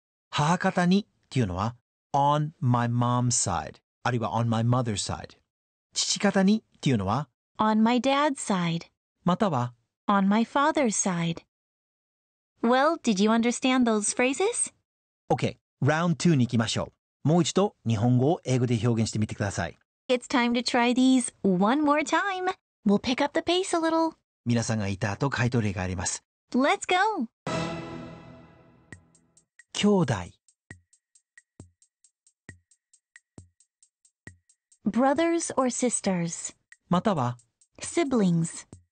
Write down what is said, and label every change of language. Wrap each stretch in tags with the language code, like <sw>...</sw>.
<ja>母方にっていうのは</ja> <en>On my mom's side.</en> <ja>あるいは</ja> <en>on my mother's side.</en> <ja>父方にっていうのは</ja> <en>On my dad's side.</en> <ja>または</ja> <en>On my father's side. Well, did you understand those phrases? Okay, round two</en> <ja>に行きましょう。もう一度日本語を英語で表現してみてください。</ja> <en>It's time to try these one more time. We'll pick up the pace a little.</en> <ja>皆さんがいた後、回答例があります。</ja> <en>Let's go!</en> <ja>兄弟</ja> <en>Brothers or sisters.</en> <ja>または</ja> <en>Siblings.</en>